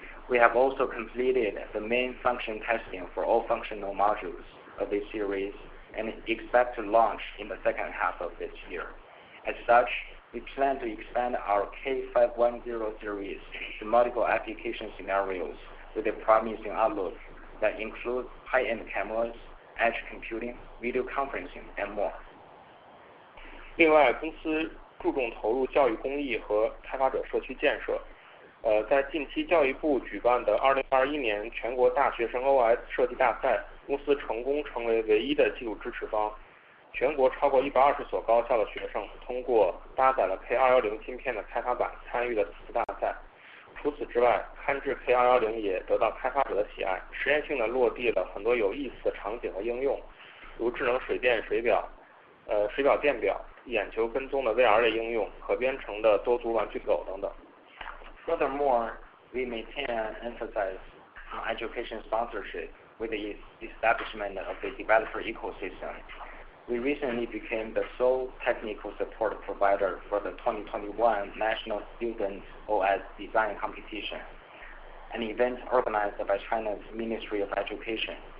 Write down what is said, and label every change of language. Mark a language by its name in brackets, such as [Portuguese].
[English] We have also completed the main function testing for all functional modules of this series and expect to launch in the second half of this year. As such, we plan to expand our K510 series to multiple application scenarios with a promising outlook that includes high-end cameras, edge computing, video conferencing, and more. [Chinese] 另外，公司注重投入教育公益和开发者社区建设。在近期教育部举办的2021年全国大学生 OS 设计大赛，公司成功成为唯一的技术支持方。全国超过120所高校的学生通过搭载了 K210 芯片的开发板参与了此次大赛。除此之外，堪智 K210 也得到开发者的喜爱，实验性的落地了很多有意思的场景和应用，如智能水电水表、水表电表、眼球跟踪的 VR 的应用、可编程的多足玩具狗等等。 [English] Furthermore, we maintain an emphasis on education sponsorship with the establishment of the developer ecosystem. We recently became the sole technical support provider for the 2021 National Student OS Design Competition, an event organized by China's Ministry of Education.